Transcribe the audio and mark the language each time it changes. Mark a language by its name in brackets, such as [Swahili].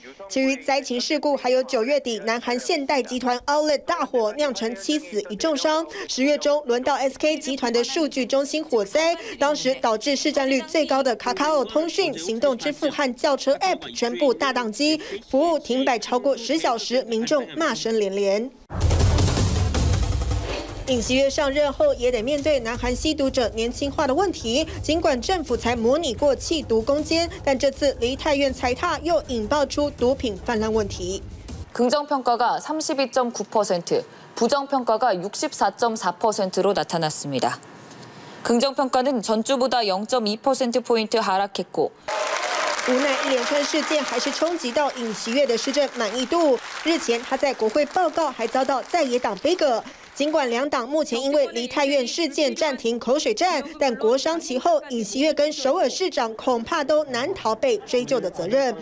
[Chinese] 其余灾情事故还有九月底南韩现代集团 Outlet 大火酿成7死1重伤，十月中轮到 SK 集团的数据中心火灾，当时导致市占率最高的卡卡奥通讯、行动支付和轿车 App 全部大宕机，服务停摆超过10小时，民众骂声连连。尹锡悦上任后也得面对南韩吸毒者年轻化的问题，尽管政府才模拟过弃毒攻坚，但这次梨泰院踩踏又引爆出毒品泛滥问题。 [Korean] 긍정평가가 32.9%, 부정평가가 64.4% 로나타났습니다긍정평가는전주보다 0.2%포인트 하락했고 [Chinese] 无奈一连串事件还是冲击到尹锡悦的施政满意度，日前他在国会报告还遭到在野党杯葛，尽管两党目前因为梨泰院事件暂停口水战，但国殇其后，尹锡悦跟首尔市长恐怕都难逃被追究的责任。